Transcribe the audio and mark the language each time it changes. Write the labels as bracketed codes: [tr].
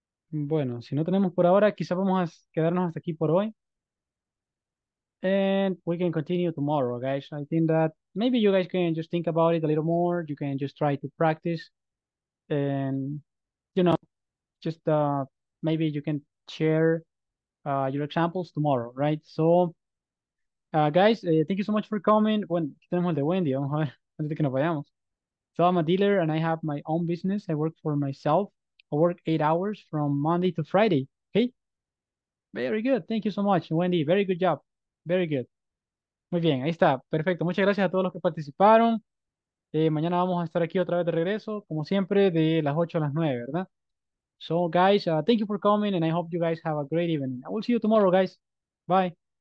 [es] Bueno, si no tenemos por ahora, quizás vamos a quedarnos hasta aquí por hoy. [en] And we can continue tomorrow, guys. I think that maybe you guys can just think about it a little more. You can just try to practice. And, you know, just maybe you can share your examples tomorrow, right? So, guys, thank you so much for coming. [es] Bueno, tenemos el de Wendy, vamos a ver antes de que nos vayamos. [en] So, I'm a dealer and I have my own business. I work for myself. I work 8 hours from Monday to Friday. Okay. Very good. Thank you so much, Wendy. Very good job. Very good. [es] Muy bien. Ahí está. Perfecto. Muchas gracias a todos los que participaron. Mañana vamos a estar aquí otra vez de regreso, como siempre, de las 8 a las 9, ¿verdad? [en] So, guys, thank you for coming, and I hope you guys have a great evening. I will see you tomorrow, guys. Bye.